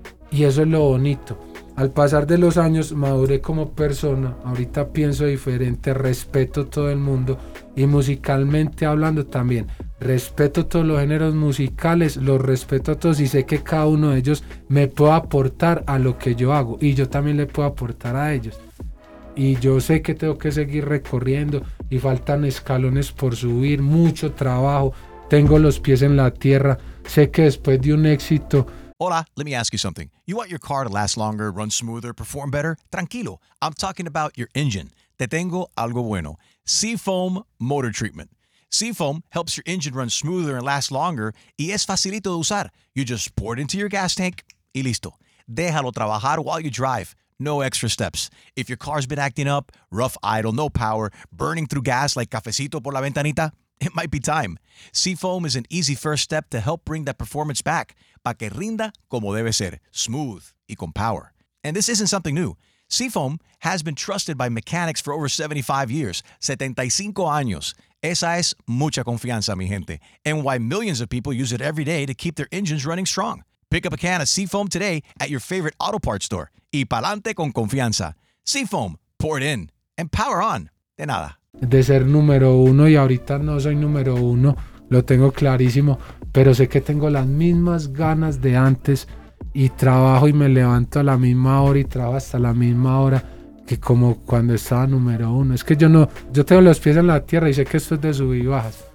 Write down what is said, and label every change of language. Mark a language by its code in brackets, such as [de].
[es] Y eso es lo bonito. Al pasar de los años maduré como persona, ahorita pienso diferente, respeto todo el mundo y musicalmente hablando también, respeto todos los géneros musicales, los respeto a todos y sé que cada uno de ellos me puede aportar a lo que yo hago y yo también le puedo aportar a ellos. Y yo sé que tengo que seguir recorriendo y faltan escalones por subir, mucho trabajo, tengo los pies en la tierra, sé que después de un éxito... Hola, [en] let me ask you something. You want your car to last longer, run smoother, perform better? [es] Tranquilo, [en] I'm talking about your engine. Te tengo algo bueno. Seafoam Motor Treatment. Seafoam helps your engine run smoother and last longer, [es] y es facilito de usar. [en] You just pour it into your gas tank, [es] y listo. Déjalo trabajar [en] while you drive. No extra steps. If your car's been acting up, rough idle, no power, burning through gas like [es] cafecito por la ventanita, [en] it might be time. Seafoam is an easy first step to help bring that performance back. [es] Pa que rinda como debe ser, [en] smooth [es] y con [en] power. And this isn't something new. Seafoam has been trusted by mechanics for over 75 years. [es] 75 años. Esa es mucha confianza, mi gente. [en] And why millions of people use it every day to keep their engines running strong. Pick up a can of Seafoam today at your favorite auto parts store. [es] Y pa'lante con confianza. Seafoam, [en] pour it in. And power on. [es] De nada. De ser número uno, y ahorita no soy número uno, lo tengo clarísimo, pero sé que tengo las mismas ganas de antes y trabajo y me levanto a la misma hora y trabajo hasta la misma hora que como cuando estaba número uno. Es que yo tengo los pies en la tierra y sé que esto es de subir y bajas.